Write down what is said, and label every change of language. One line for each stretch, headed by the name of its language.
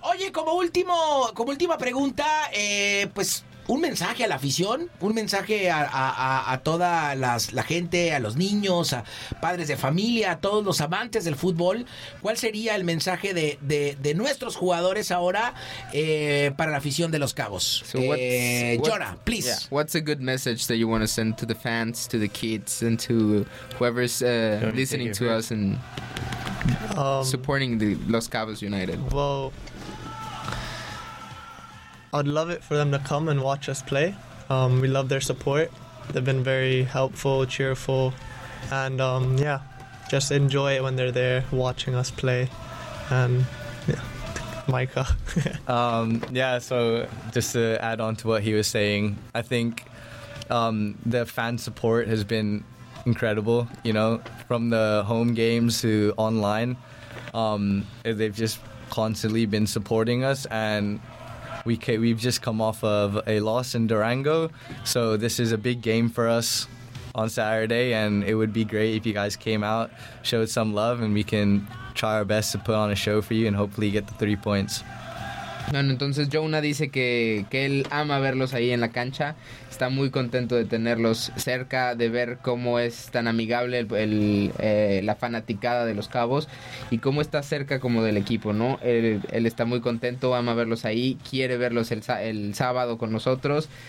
Spanish: Oye, como última pregunta, pues un mensaje a la afición, un mensaje a toda la gente, a los niños, a padres de familia, a todos los amantes del fútbol. ¿Cuál sería el mensaje de nuestros jugadores ahora para la afición de Los Cabos?
English: Jonah, please. Yeah. What's a good message that you want to send to the fans, to the kids, and to whoever's listening to us and supporting the Los Cabos United? Well, I'd love it for them to come and watch us play. We love their support. They've been very helpful, cheerful, and just enjoy it when they're there watching us play. And yeah, Micah. So just to add on to what he was saying, I think the fan support has been incredible, you know, from the home games to online. They've just constantly been supporting us, and we've just come off of a loss in Durango, so this is a big game for us on Saturday, and it would be great if you guys came out, showed some love, and we can try our best to put on a show for you and hopefully get the 3 points.
Spanish: Bueno, entonces Jonah dice que él ama verlos ahí en la cancha. Está muy contento de tenerlos cerca, de ver cómo es tan amigable la fanaticada de los Cabos y cómo está cerca como del equipo, ¿no? Él está muy contento, ama verlos ahí, quiere verlos el sábado con nosotros.